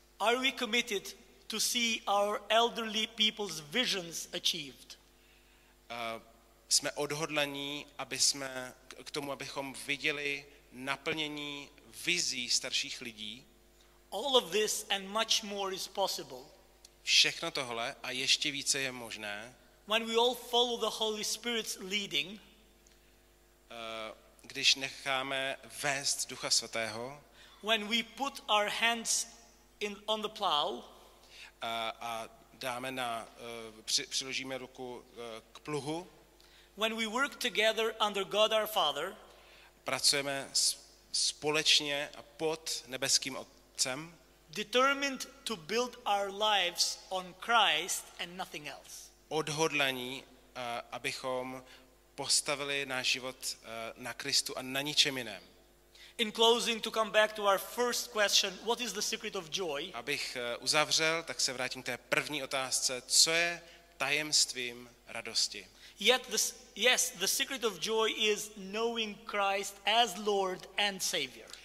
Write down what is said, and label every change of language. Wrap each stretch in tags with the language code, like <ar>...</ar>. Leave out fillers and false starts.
<en>Are we committed to see our elderly people's visions achieved?</en> <cs>Jsme odhodlaní, aby jsme k tomu, abychom viděli naplnění vizí starších lidí.</cs> <en>All of this and much more is possible.</en> <cs>Všechno tohle a ještě více je možné.</cs> <en>When we all follow the Holy Spirit's leading,</en> <cs>když necháme vést Ducha Svatého,</cs> <en>when we put our hands in on the plow,</en> <cs>a dáme na přiložíme ruku k pluhu,</cs> <en>when we work together under God our Father,</en> <cs>pracujeme společně a pod nebeským Otcem,</cs> <en>determined to build our lives on Christ and nothing else.</en> <cs>Odhodlaní, abychom postavili náš život na Kristu a na ničem jiném.</cs> <en>In closing, to come back to our first question, what is the secret of joy?</en> <cs>Abych uzavřel, tak se vrátím k té první otázce, co je tajemstvím radosti.</cs> <en>Yes, the secret of joy is knowing Christ as Lord and Savior.</en>